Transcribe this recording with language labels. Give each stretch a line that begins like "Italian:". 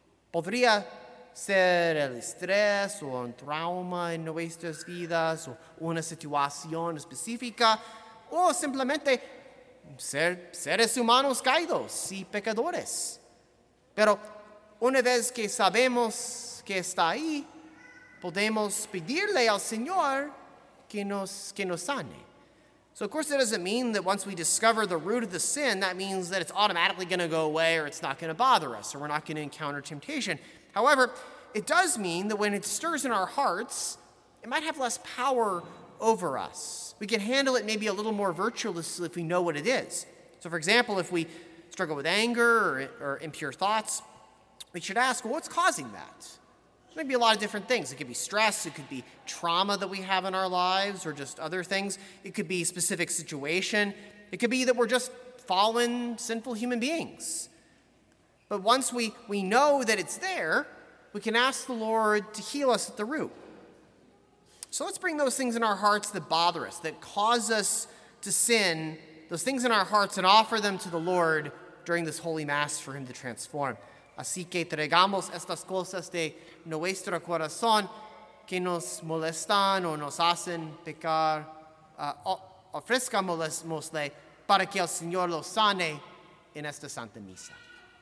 Spanish: Podría ser el estrés o un trauma en nuestras vidas o una situación específica, o simplemente ser seres humanos caídos y pecadores. Pero una vez que sabemos que está ahí, podemos pedirle al Señor que nos sane.
English: So of course it doesn't mean that once we discover the root of the sin, that means that it's automatically going to go away or it's not going to bother us or we're not going to encounter temptation. However, it does mean that when it stirs in our hearts, it might have less power over us. We can handle it maybe a little more virtuously if we know what it is. So for example, if we struggle with anger or impure thoughts, we should ask, well, what's causing that? It may be a lot of different things. It could be stress. It could be trauma that we have in our lives or just other things. It could be a specific situation. It could be that we're just fallen, sinful human beings. But once we know that it's there, we can ask the Lord to heal us at the root. So let's bring those things in our hearts that bother us, that cause us to sin, those things in our hearts, and offer them to the Lord during this Holy Mass for Him to transform.
Spanish: Así que traigamos estas cosas de nuestro corazón que nos molestan o nos hacen pecar, ofrezcámosle para que el Señor los sane en esta Santa Misa.